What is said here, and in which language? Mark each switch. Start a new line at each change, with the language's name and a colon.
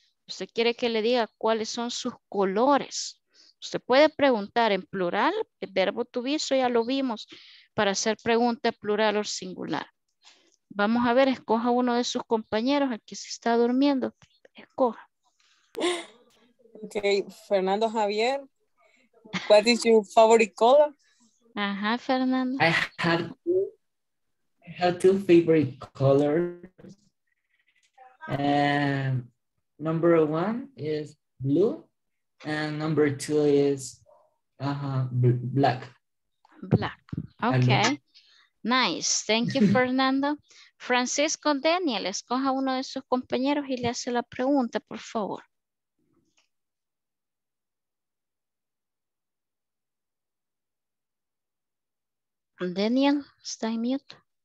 Spanish: Usted quiere que le diga cuáles son sus colores. Usted puede preguntar en plural, el verbo to be, eso ya lo vimos, para hacer pregunta plural o singular. Vamos a ver, escoja uno de sus compañeros, el que se está durmiendo, escoja.
English: Ok, Fernando Javier, what is your favorite color?
Spanish: Ajá, Fernando.
English: I have two favorite colors. Number one is blue, and number two is black. Black, ok. Nice, thank you, Fernando.
Spanish: Francisco Daniel, escoja uno de sus compañeros y le hace la pregunta, por favor. Daniel, está en mute.